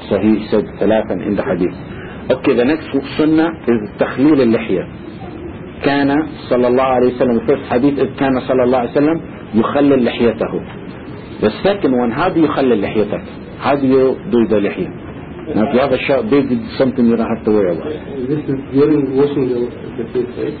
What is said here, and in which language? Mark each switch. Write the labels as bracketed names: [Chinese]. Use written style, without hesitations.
[English] So he said ثلاثا in the hadith. Okay, the next sunnah is [Arabic] تخليل اللحية. كان صلى الله عليه وسلم, [English] the first hadith is [Arabic] كان صلى الله عليه وسلم يخلل لحيته. [English] The second one, how do you [Arabic] خلل لحيتك؟ [English] How do you do the lihya? Now if you have a sharp beard, it's something you don't have to worry about. This is during washing the face, right?